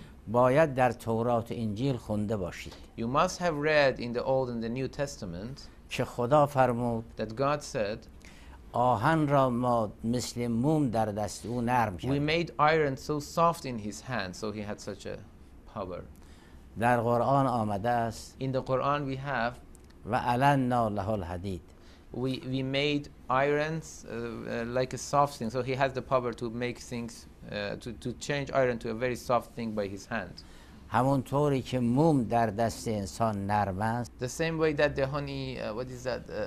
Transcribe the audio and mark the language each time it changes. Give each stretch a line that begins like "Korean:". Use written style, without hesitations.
Persian: باید در تورات انجیل خونده باشید.
English: You must have read in the Old and the New Testament.
Persian: که خدا فرمود.
English: That God said.
Persian: آهن را ما مثل موم در دست او نرم کرد.
English: We made iron so soft in his hand, so he had such a power.
Persian: در قرآن آمده است.
English: In the Quran we have.
Arabic: و علنا له الحديد.
English: We made irons like a soft thing, so he has the power to make things to change iron to a very soft thing by his hand.
Persian: همون طوری که موم در دست انسان نرم است.
English: The same way that the honey, what is that?